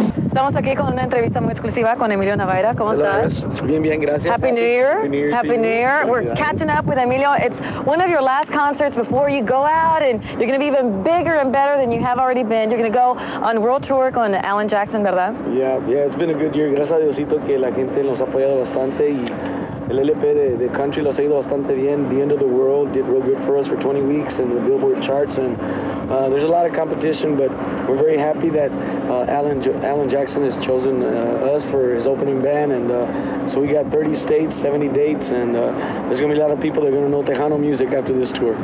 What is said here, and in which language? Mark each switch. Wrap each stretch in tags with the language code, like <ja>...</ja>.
<es>Estamos aquí con una entrevista muy exclusiva con Emilio Navaira. ¿Cómo estás? Bien, bien, gracias.</es> <en>Happy New Year. Happy New Year. We're catching up with Emilio. It's one of your last concerts before you go out, and you're going to be even bigger and better than you have already been. You're going to go on world tour</en> <es>con Alan Jackson, ¿verdad?</es> <en>Yeah, it's been a good year.</en> <es>Gracias a Diosito que la gente nos ha apoyado bastante, y el LP de Country lo ha ido bastante bien.</es> <en>The End of the World did real good for us for 20 weeks in the Billboard charts, and there's a lot of competition, but we're very happy that Alan Jackson has chosen us for his opening band, and so we got 30 states, 70 dates, and there's going to be a lot of people that are going to know Tejano music after this tour.</en>